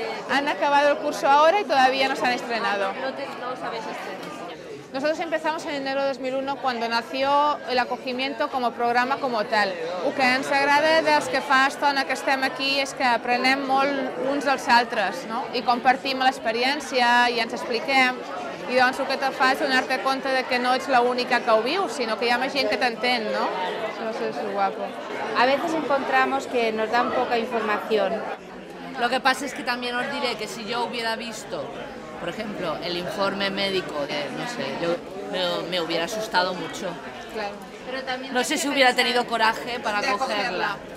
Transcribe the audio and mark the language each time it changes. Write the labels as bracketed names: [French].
[Spanish] Han acabado el curso ahora y todavía no se han estrenado. Nosotros empezamos en enero de 2001 cuando nació el acogimiento como programa como tal. [Catalan] El que ens agrada dels que fa estona que estem aquí és que aprenem molt uns dels altres, no? I compartim l'experiència i ens expliquem. I doncs el que te fa és donar-te compte de que no ets l'única que ho viu, sinó que hi ha més gent que t'entén, no? Això és guapo. [Spanish] A veces encontramos que nos dan poca información. Lo que pasa es que también os diré que si yo hubiera visto, por ejemplo, el informe médico, yo me hubiera asustado mucho. Claro. Pero también no sé si hubiera tenido coraje para cogerla.